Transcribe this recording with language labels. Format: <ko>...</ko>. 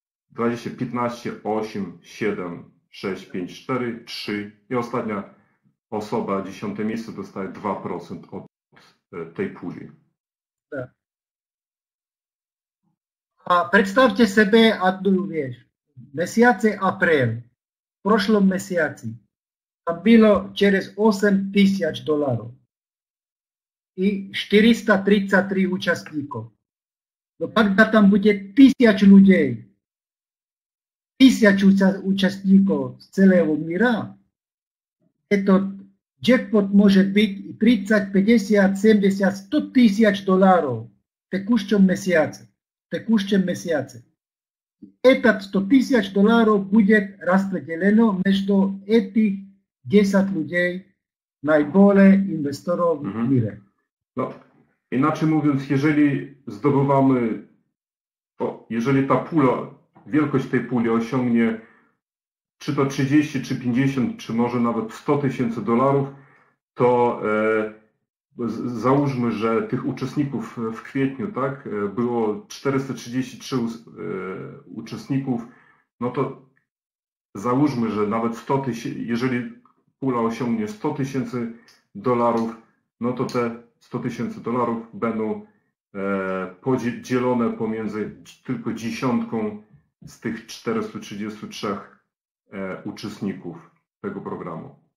<pl>20, 15, 8, 7, 6, 5, 4, 3 i ostatnia osoba, 10 miejsce dostaje 2% od tej puli. Tak. A przedstawcie sobie, a tu wiesz, miesiące april, proszlą miesiące.</pl> <ru>Там было через 8000 долларов и 433 участников. Но когда там будет 1000 людей, 1000 участников с целого мира, этот джекпот может быть и 30, 50, 70, 100 тысяч долларов в текущем месяце. В текущем месяце. Этот 100 тысяч долларов будет распределено между этих 10 людей</ru> <pl>najbole inwestorów w mire. No, inaczej mówiąc, jeżeli zdobywamy, jeżeli ta pula, wielkość tej puli osiągnie czy to 30, czy 50, czy może nawet 100 tysięcy dolarów, to załóżmy, że tych uczestników w kwietniu, tak, było 433 uczestników, no to załóżmy, że nawet 100 tysięcy, jeżeli pula osiągnie 100 tysięcy dolarów, no to te 100 tysięcy dolarów będą podzielone pomiędzy tylko dziesiątką z tych 433 uczestników tego programu.</pl>